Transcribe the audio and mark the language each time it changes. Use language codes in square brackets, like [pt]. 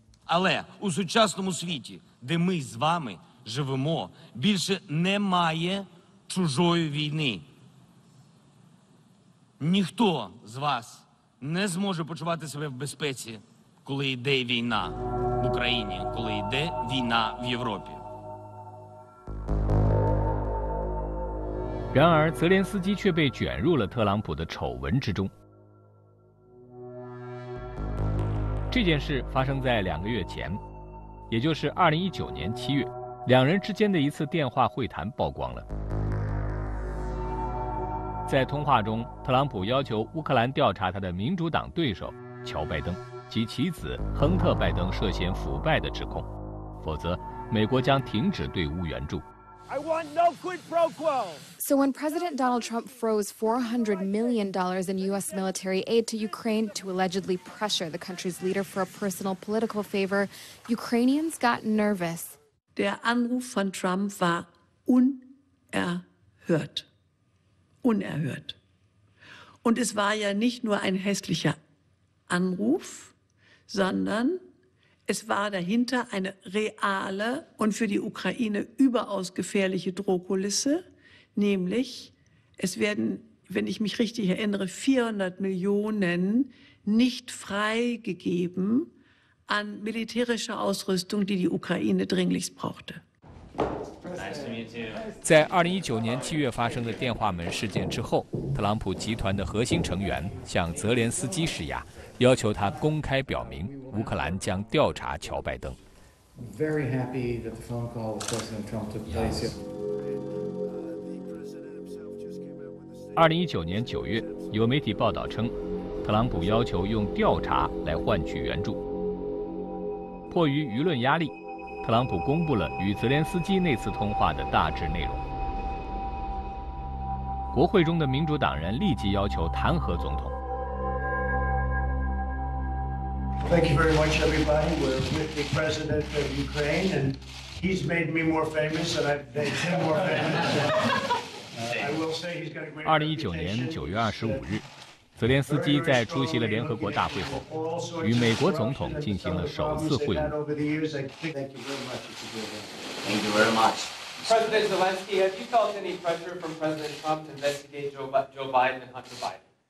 [uk] Але у сучасному світі, де ми з вами живемо, більше немає чужої війни. Ніхто з вас не зможе почувати себе в безпеці, коли йде війна в Україні, коли йде війна в Європі. [zh] 然而，泽连斯基却被卷入了特朗普的丑闻之中。这件事发生在2个月前，也就是2019年7月，两人之间的一次电话会谈曝光了。在通话中，特朗普要求乌克兰调查他的民主党对手乔拜登及其子亨特拜登涉嫌腐败的指控，否则美国将停止对乌援助。 [en] I want no quid pro quo. So when President Donald Trump froze $400 million in U.S. military aid to Ukraine to allegedly pressure the country's leader for a personal political favor, Ukrainians got nervous. [de] Der Anruf von Trump war unerhört. Unerhört. Und es war ja nicht nur ein hässlicher Anruf, sondern... Es war dahinter eine reale und für die Ukraine überaus gefährliche Drohkulisse, nämlich es werden, wenn ich mich richtig erinnere, 400 Millionen nicht freigegeben an militärischer Ausrüstung, die die Ukraine dringlichst brauchte. [zh] 在2019年7月发生的电话门事件之后，特朗普集团的核心成员向泽连斯基施压。要求他公开表明乌克兰将调查乔拜登。 [en] Very happy that the phone call with President Trump took place. [zh] 2019年9月，有媒体报道称，特朗普要求用调查来换取援助。迫于舆论压力，特朗普公布了与泽连斯基那次通话的大致内容。国会中的民主党人立即要求弹劾总统。 [en] Thank you very much, everybody. We're with the president of Ukraine, and he's made me more famous, and I've made him more famous. I will say he's got a great reputation. [zh] 2019年9月25日，泽连斯基在出席了联合国大会后，与美国总统进行了首次会晤。 [en] Thank you very much. President Zelensky, have you felt any pressure from President Trump to investigate Joe Biden and Hunter Biden?